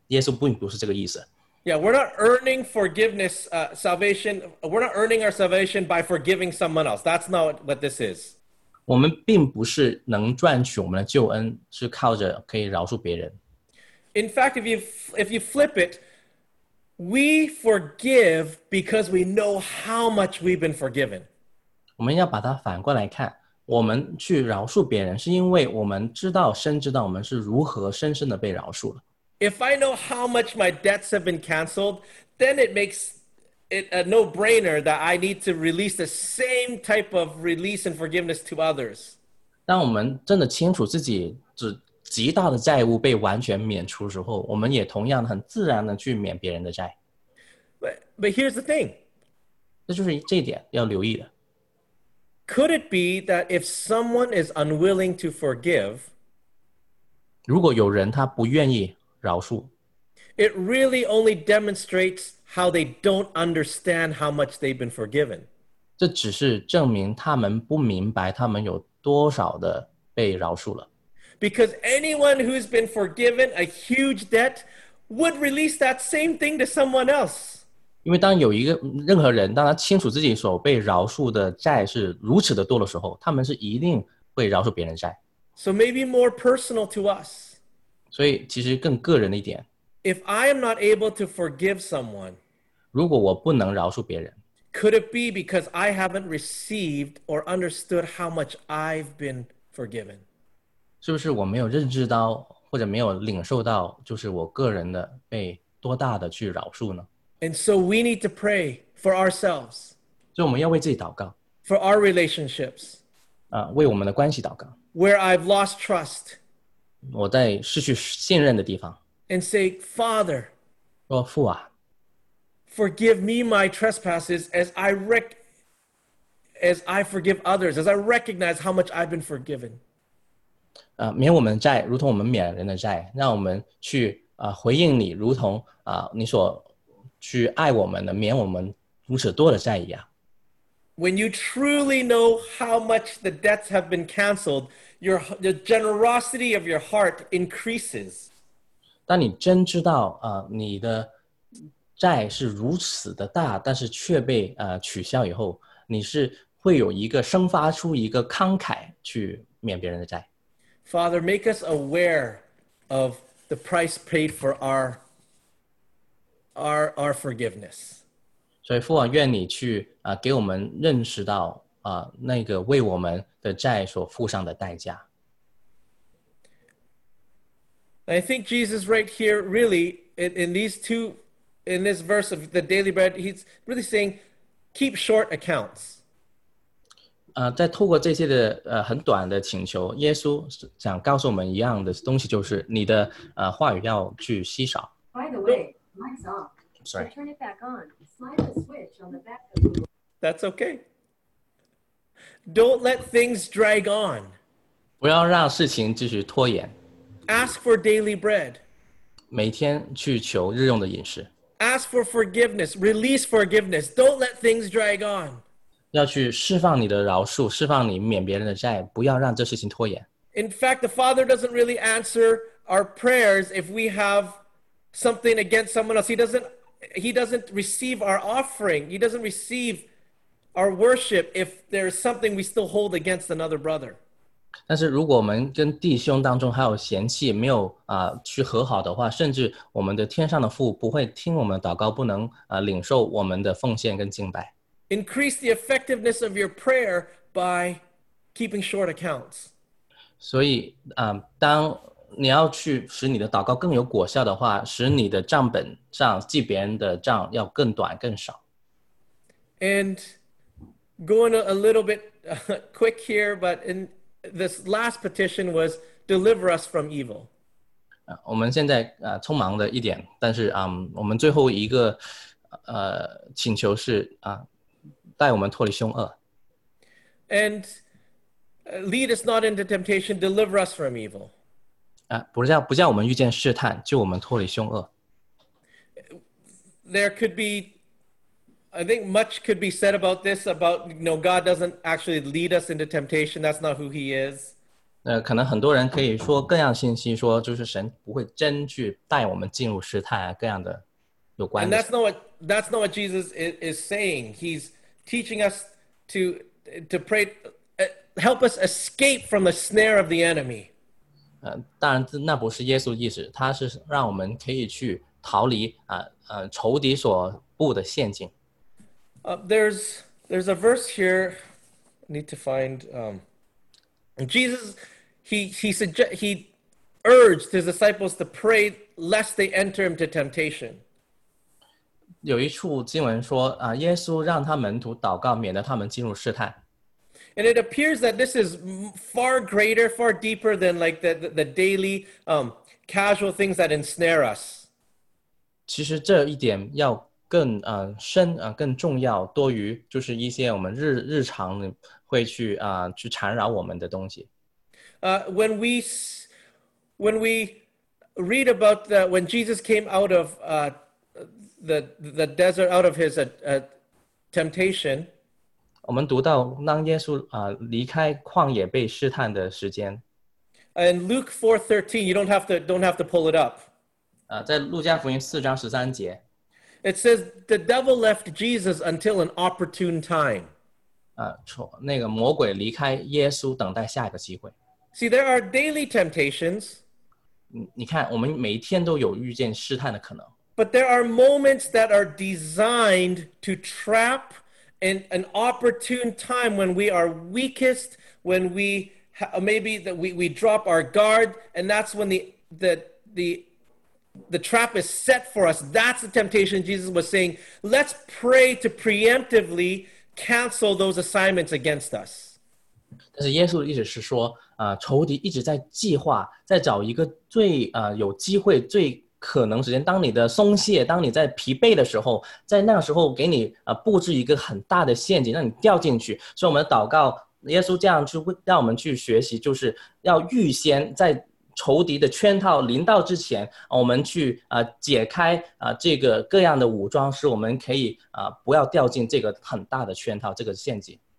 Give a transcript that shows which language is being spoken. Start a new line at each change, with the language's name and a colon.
Chinese: 耶稣并不是这个意思。
English: Yeah, we're not earning forgiveness, salvation. We're not earning our salvation by forgiving someone else. That's not what this is.
Chinese: 我们并不是能赚取我们的救恩，是靠着可以饶恕别人。
English: In fact, if you flip it, we forgive because we know how much we've been forgiven.
Chinese: 我们要把它反过来看，我们去饶恕别人，是因为我们知道，深知道我们是如何深深的被饶恕了。
English: If I know how much my debts have been canceled, then it makes it a no-brainer that I need to release the same type of release and forgiveness to others.
Chinese: 当我们真的清楚自己只极大的债务被完全免除之后，我们也同样很自然的去免别人的债。
English: But here's the thing.
Chinese: 这就是这一点要留意的。
English: Could it be that if someone is unwilling to forgive,
Chinese: 如果有人他不愿意饶恕，
English: it really only demonstrates how they don't understand how much they've been forgiven.
Chinese: 这只是证明他们不明白他们有多少的被饶恕了。
English: Because anyone who's been forgiven a huge debt would release that same thing to someone else.
Chinese: 因为当有一个任何人当他清楚自己所被饶恕的债是如此的多的时候，他们是一定会饶恕别人债。
English: So maybe more personal to us.
Chinese: 所以其实更个人的一点。
English: If I am not able to forgive someone,
Chinese: 如果我不能饶恕别人，
English: could it be because I haven't received or understood how much I've been forgiven?
Chinese: 是不是我没有认知到或者没有领受到就是我个人的被多大的去饶恕呢？
English: And so we need to pray for ourselves.
Chinese: 所以我们要为自己祷告。
English: For our relationships.
Chinese: 为我们的关系祷告。
English: Where I've lost trust.
Chinese: 我在失去信任的地方。
English: And say, Father.
Chinese: 说父啊。
English: Forgive me my trespasses as I forgive others, as I recognize how much I've been forgiven.
Chinese: 免我们的债，如同我们免人的债，让我们去回应你，如同你所去爱我们的，免我们如此多的债一样。
English: When you truly know how much the debts have been canceled, the generosity of your heart increases.
Chinese: 当你真知道你的债是如此的大，但是却被取消以后，你是会有一个生发出一个慷慨去免别人的债。
English: Father, make us aware of the price paid for our forgiveness.
Chinese: 所以父王愿你去给我们认识到那个为我们的债所付上的代价。
English: I think Jesus right here really in this verse of the daily bread, he's really saying keep short accounts.
Chinese: 在透过这些的很短的请求，耶稣想告诉我们一样的东西，就是你的话语要去稀少。
English: By the way, lights off. Sorry. Turn it back on. Slide the switch on the back of the door. That's okay. Don't let things drag on.
Chinese: 不要让事情继续拖延。
English: Ask for daily bread.
Chinese: 每天去求日用的饮食。
English: Ask for forgiveness. Release forgiveness. Don't let things drag on.
Chinese: 要去释放你的饶恕，释放你免别人的债，不要让这事情拖延。
English: In fact, the Father doesn't really answer our prayers if we have something against someone else. He doesn't receive our offering. He doesn't receive our worship if there is something we still hold against another brother.
Chinese: 但是如果我们跟弟兄当中还有嫌弃，没有去和好的话，甚至我们的天上的父不会听我们祷告，不能领受我们的奉献跟敬拜。
English: Increase the effectiveness of your prayer by keeping short accounts.
Chinese: 所以当你要去使你的祷告更有果效的话，使你的账本上记别人的账要更短更少。
English: And going a little bit quick here, but in this last petition was deliver us from evil.
Chinese: 我们现在匆忙的一点，但是我们最后一个请求是带我们脱离凶恶。
English: And lead us not into temptation, deliver us from evil.
Chinese: 不叫我们遇见试探，救我们脱离凶恶。
English: There could be, I think much could be said about this, about, you know, God doesn't actually lead us into temptation, that's not who he is.
Chinese: 可能很多人可以说各样信息，说就是神不会真去带我们进入试探，各样的有关的。
English: And that's not what Jesus is saying. He's teaching us to pray, help us escape from the snare of the enemy.
Chinese: 当然那不是耶稣的意思，他是让我们可以去逃离仇敌所布的陷阱。
English: There's a verse here, I need to find, Jesus, he urged his disciples to pray lest they enter into temptation.
Chinese: 有一处经文说耶稣让他门徒祷告免得他们进入试探。
English: And it appears that this is far greater, far deeper than like the daily casual things that ensnare us.
Chinese: 其实这一点要更深更重要，多于就是一些我们日常会去缠绕我们的东西。
English: When we read about when Jesus came out of the desert, out of his temptation.
Chinese: 我们读到当耶稣离开旷野被试探的时间。
English: In Luke 4:13, you don't have to pull it up.
Chinese: 在路加福音四章十三节。
English: It says the devil left Jesus until an opportune time.
Chinese: 那个魔鬼离开耶稣，等待下一个机会。
English: See, there are daily temptations.
Chinese: 你看，我们每一天都有遇见试探的可能。
English: But there are moments that are designed to trap in an opportune time when we are weakest, when we maybe that we drop our guard, and that's when the trap is set for us. That's the temptation Jesus was saying. Let's pray to preemptively cancel those assignments against us.
Chinese: 但是耶稣的意思是说，仇敌一直在计划，在找一个最有机会最。可能时间，当你的松懈，当你在疲惫的时候，在那时候给你布置一个很大的陷阱，让你掉进去。所以我们祷告，耶稣这样去让我们去学习，就是要预先在仇敌的圈套临到之前，我们去解开这个各样的武装，使我们可以不要掉进这个很大的圈套，这个陷阱。